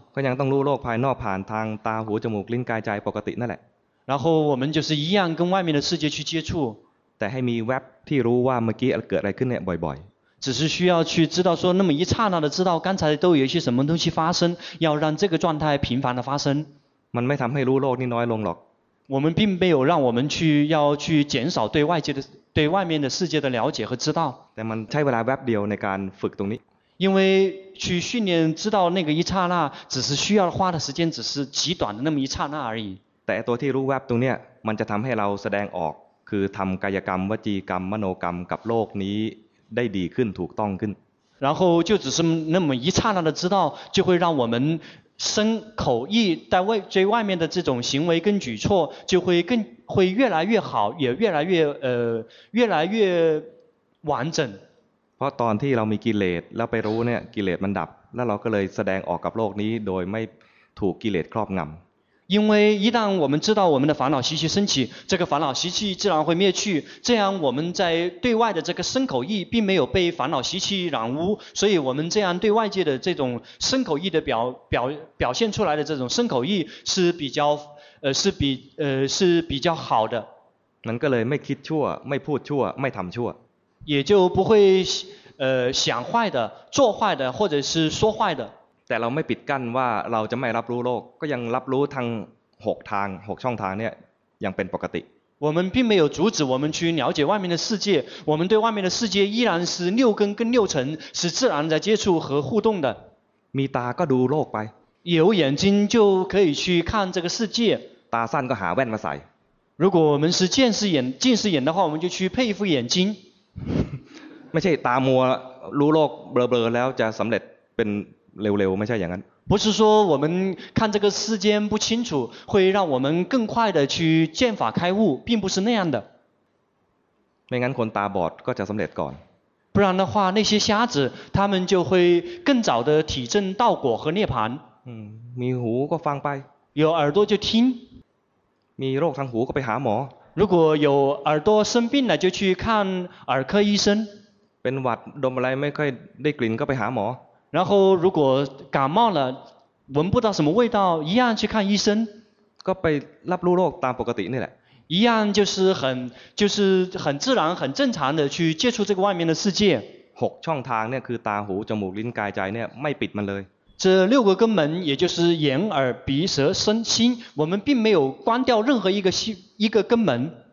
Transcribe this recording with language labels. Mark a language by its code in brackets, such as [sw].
[th] ก็ยังต้องรู้โลกภายนอกผ่านทางตาหูจมูกลิ้นกายใจปกตินั่นแหละ [zh] 然后我们就是一样跟外面的世界去接触 [th] แต่ให้มีแวบที่รู้ว่าเมื่อกี้เกิดอะไรขึ้นเนี่ยบ่อย [zh] 只是需要去知道说那么一刹那的知道刚才都有一些什么东西发生要让这个状态频繁的发生 [th] มันไม่ทำให้รู้โลกนี่น้อยลงหรอก [zh] 我们并没有让我们去要去减少对外界的对外面的世界的了解和知道 [th] แต่มันใช้เวลาแวบเดียวในการฝึกตรงนี้ [zh] 因为去训练知道那个一刹那只是需要花的时间只是极短的那么一刹那而已 [th] แต่ตัวที่รู้แวบตรงเนี้ยมันจะทำให้เราแสดงออกคือทำกายกรรมวจีกรรมมโนกรรมกับโลกนี้ได้ดีขึ้นถูกต้องขึ้น [zh] 然后就只是那么一刹那的知道就会让我们身口意在外最外面的这种行为跟举措就会更会越来越好也越来越越来越完整 [th] เพราะตอนที่เรามีกิเลสแล้วไปรู้เนี่ยกิเลสมันดับแล้วเราก็เลยแสดงออกกับโลกนี้โดยไม่ถูกกิเลสครอบงำ [zh] 因为一旦我们知道我们的烦恼习气升起，这个烦恼习气自然会灭去。这样我们在对外的这个身口意并没有被烦恼习气染污，所以我们这样对外界的这种身口意的表现出来的这种身口意是比较是比较好的。能够嘞，没 [th] คิดชั่ว， [zh] 没 [th] พูดชั่ว， [zh] 没 [th] ทำชั่ว， [zh] 也就不会想坏的、做坏的或者是说坏的。 [th] แต่เราไม่ปิดกั้นว่าเราจะไม่รับรู้โลกก็ยังรับรู้ทางหกทางหกช่องทางเนี่ยยังเป็นปกติ [zh] 我们并没有阻止我们去了解外面的世界我们对外面的世界依然是六根跟六尘是自然在接触和互动的 [th] มีตาก็ดูโลกไป [zh] 有眼睛就可以去看这个世界 [th] ตาสั้นก็หาแว่นมาใส่ [zh] 如果我们是见识眼近视眼的话我们就去配一副眼睛 [th] ไม่ใช่ตามัวรู้โลกเบลอๆแล้วจะสำเร็จเป็นเร็วๆไม่ใช่อย่างนั้น [zh] 不是说我们看这个世间不清楚会让我们更快的去见法开悟并不是那样的 [th] ไม่งั้นคนตาบอดก็จะสำเร็จก่อน [zh] 不然的话那些瞎子他们就会更早的体证道果和涅槃 [th] มีหูก็ฟังไป [zh] 有耳朵就听 [th] มีโรคทางหูก็ไปหาหมอ [zh] 如果有耳朵生病了就去看耳科医生 [th] เป็นหวัดดมอะไรไม่ค่อยได้กลิ่นก็ไปหาหมอ [zh] 然后如果感冒了闻不到什么味道一样去看医生 [th] ก็ไปรับรู้โรคตามปกตินี่แหละ [zh] 一样就是很自然很正常的去接触这个外面的世界 [th] หกช่องทางเนี่ยคือตาหูจมูกลิ้นกายใจเนี่ยไม่ปิดมันเลย [zh] 这六个根门也就是眼耳鼻舌身心我们并没有关掉任何一个根门